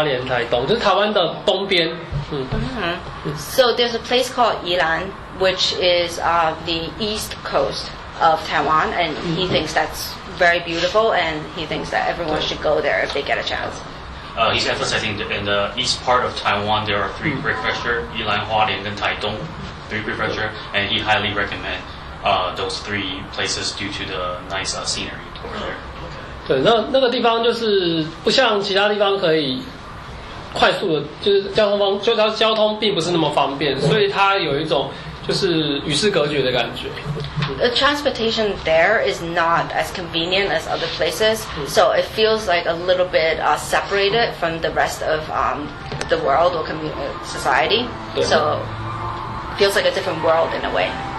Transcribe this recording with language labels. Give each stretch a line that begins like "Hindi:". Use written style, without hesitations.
Chinese: 我很喜欢那个宜兰花莲台东，就是台湾的东边。嗯。
English: So there's a place called Yilan, which is the east coast of Taiwan, and he thinks that's very beautiful, and he thinks that everyone should go there if they get a chance. He's emphasizing that in the east part of Taiwan, there are three prefectures, Yilan, Hualien, and Taitung, three prefectures, and he highly recommends those three places due to the nice scenery over there.
Chinese: 对，那个地方就是不像其他地方可以快速的，就是交通方就交通并不是那么方便，所以它有一种就是与世隔绝的感觉。
English: The transportation there is not as convenient as other places, so it feels like a little bit separated from the rest of the world or society. So feels like a different world in a way.